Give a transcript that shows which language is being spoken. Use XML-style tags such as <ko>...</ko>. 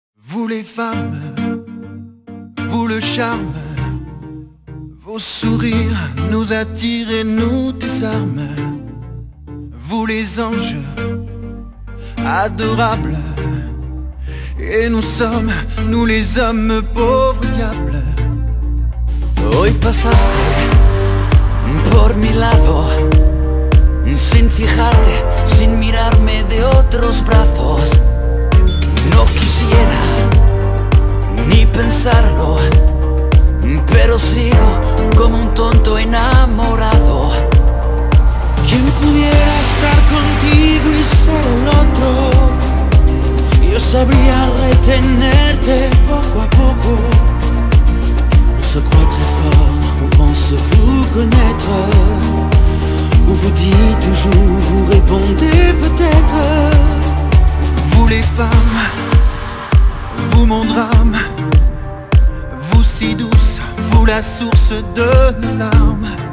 <fr>Vous les femmes, vous le charme, vos sourires nous attirent et nous désarment. Vous les anges, adorables, et nous sommes les hommes pauvres diables.</fr> <es>Hoy pasaste por mi lado, sin fijarte, sin mirarme de otros brazos. No quisiera ni pensarlo, pero sigo como un tonto enamorado. ¿Quién pudiera estar contigo y ser el otro? Yo sabría retenerte poco a poco.</es> <fr>On se croit très fort, on pense vous connaître. On vous dit toujours, vous répondez peut-être. Vous les femmes, vous mon drame, vous si douce, vous la source de nos larmes.</fr>